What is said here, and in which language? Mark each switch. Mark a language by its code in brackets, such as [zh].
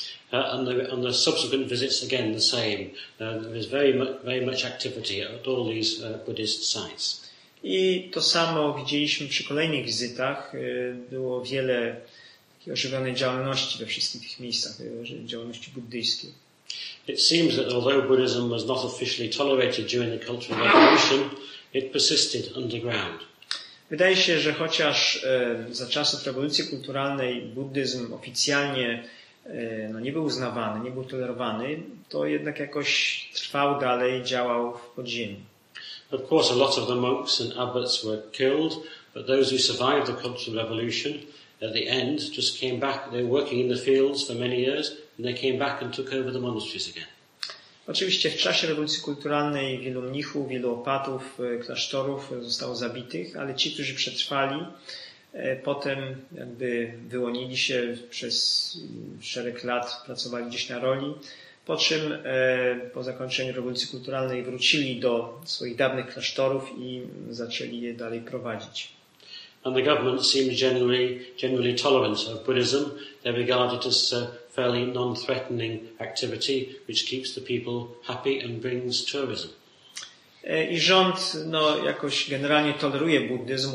[en] And the subsequent visits again the same. There is very much activity at all these Buddhist sites. [pl] I to samo widzieliśmy przy kolejnych wizytach. Było wiele takiej ożywionej działalności we wszystkich tych miejscach, działalności buddyjskiej. [en] It seems that although Buddhism was not officially tolerated during the Cultural Revolution, it persisted underground. [pl] Wydaje się, że chociaż za czasów rewolucji kulturalnej buddyzm oficjalnie nie był uznawany, nie był tolerowany, to jednak jakoś trwał dalej, działał w podziemiu. [en] Of course, a lot of the monks and abbots were killed, but those who survived the Cultural Revolution at the end just came back. They were working in the fields for many years, and they came back and took over the monasteries again. [pl] Oczywiście w czasie rewolucji kulturalnej wielu mnichów, wielu opatów, klasztorów zostało zabitych, ale ci, którzy przetrwali, potem jakby wyłonili się przez szereg lat, pracowali gdzieś na roli, po czym po zakończeniu rewolucji kulturalnej wrócili do swoich dawnych klasztorów i zaczęli je dalej prowadzić. [en] And the government seemed generally tolerant of Buddhism. They regard it as a fairly non-threatening activity which keeps the people happy and brings tourism. [pl] I rząd jakoś generalnie toleruje buddyzm.